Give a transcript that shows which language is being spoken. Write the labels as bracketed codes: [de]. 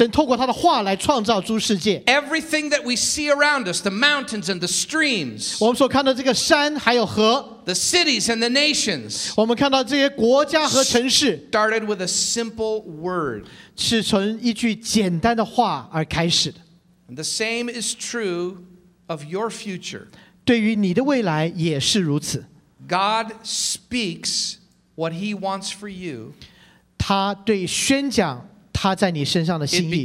[zh] 我们凭信心知道神透过他的话来创造诸世界。 [en] Everything that we see around us, the mountains and the streams, [zh] 我们所看到这个山还有河, [en] the cities and the nations, [zh] 我们看到这些国家和城市, [en] started with a simple word. [zh] 是从一句简单的话而开始的。 [en] And the same is true of your future. [zh] 对于你的未来也是如此。 [en] God speaks what He wants for you. [zh] 他对宣讲他在你身上的心意。